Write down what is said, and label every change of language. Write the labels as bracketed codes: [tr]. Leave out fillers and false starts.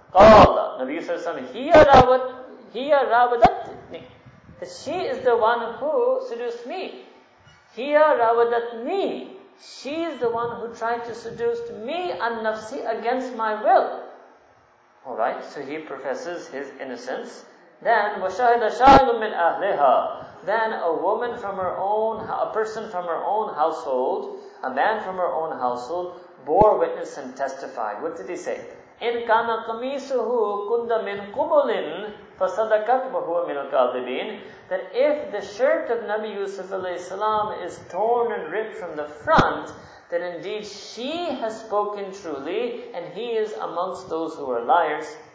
[en] Qala, Nabi Yusuf is saying, [ar] hiya rawadatni. [en] She is the one who seduced me. [ar] Hiya rawadatni. [en] She is the one who tried to seduce me and nafsi against my will. Alright, so he professes his innocence. Then, [ar] وَشَهِدَ شَاهِدٌ مِّنْ أَهْلِهَا. [en] Then a woman from her own, a person from her own household, a man from her own household, bore witness and testified. What did he say? [ar] إِنْ كَانَ قَمِيسُهُ كُنْدَ مِنْ قُبُلٍ فَصَدَقَتْ وَهُوَ مِنْ الْكَاذِبِينَ. [en] That if the shirt of Nabi Yusuf alayhi salam is torn and ripped from the front, then indeed she has spoken truly, and he is amongst those who are liars.